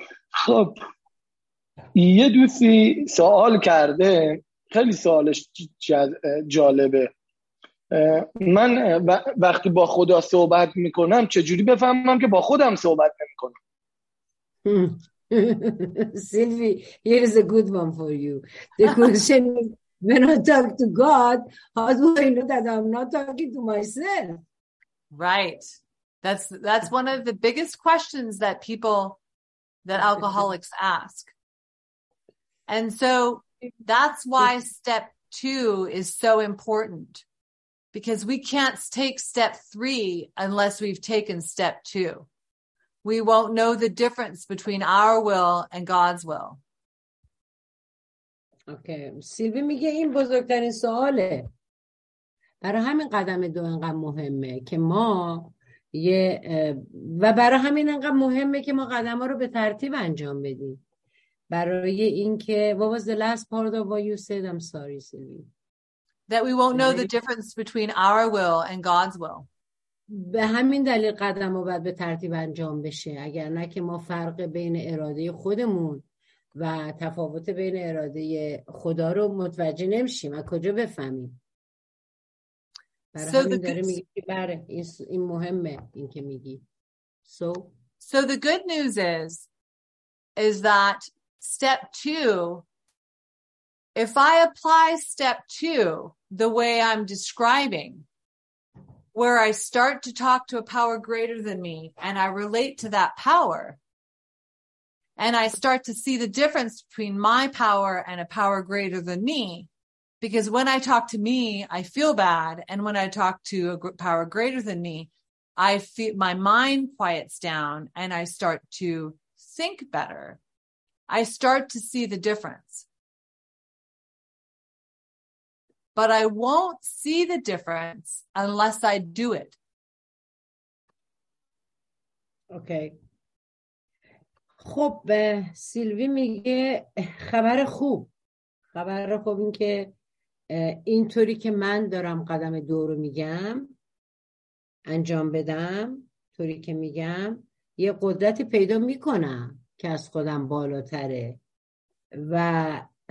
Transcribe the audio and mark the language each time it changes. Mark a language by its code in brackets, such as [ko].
[fa] خب یه دوستی سوال کرده، خیلی سوالش جالبه. من وقتی با خدا صحبت میکنم چجوری بفهمم که با خودم صحبت نمیکنم؟ [en] Sylvie, here is a good one for you. The question is, when I talk to God, how do I know that I'm not talking to myself? Right. That's one of the biggest questions that people, that alcoholics ask. And so that's why step two is so important, because we can't take step three unless we've taken step two. We won't know the difference between our will and God's will. [fa] اوکی سیلوی میگه این بزرگترین سواله، برای همین قدم دو انقدر مهمه که ما یه و برای همین انقدر مهمه که ما قدم ها رو به ترتیب انجام بدیم، برای این که [en] what was the last part of what you said, I'm sorry Sylvie, that we won't know the difference between our will and God's will. [fa] به همین دلیل قدم ها باید به ترتیب انجام بشه، اگر نه که ما فرق بین اراده خودمون و تفاوت بین اراده خدا رو متوجه نمیشیم و کجا بفهمیم. برای همین داره میگی که بره این مهمه این که میگی. [en] So the good news is that step two, if I apply step two the way I'm describing, where I start to talk to a power greater than me and I relate to that power, and I start to see the difference between my power and a power greater than me, because when I talk to me, I feel bad. And when I talk to a power greater than me, I feel my mind quiets down and I start to think better. I start to see the difference. But I won't see the difference unless I do it. Okay. [fa] خب سیلوی میگه خبر خوب، خبر خوب این که اینطوری که من دارم قدم دو رو میگم انجام بدم، طوری که میگم یه قدرتی پیدا میکنم که از خودم بالاتره و